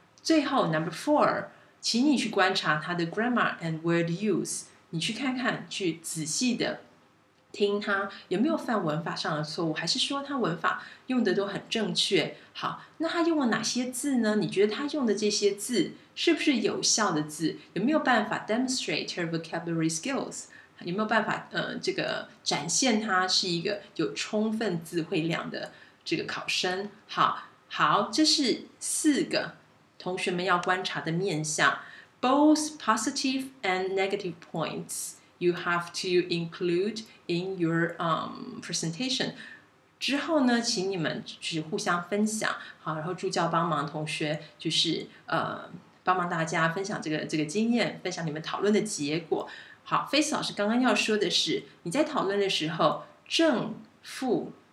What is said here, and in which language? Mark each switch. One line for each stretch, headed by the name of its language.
Chinese: 最后 number four， 请你去观察他的
English: grammar and word use，
Chinese: 你去看看，去仔细的听他有没有犯文法上的错误，还是说他文法用的都很正确。好，那他用了哪些字呢？你觉得他用的这些字是不是有效的字？有没有办法
English: demonstrate her vocabulary skills？
Chinese: 有没有办法这个展现他是一个有充分词汇量的这个考生。好好，这是四个同学们要观察的面向，
English: both positive and negative points you have to include in your presentation。
Chinese: 之后呢，请你们就是互相分享。好，然后助教帮忙同学就是帮忙大家分享这个经验，分享你们讨论的结果。好， Face 老师刚刚要说的是，你在讨论的时候正负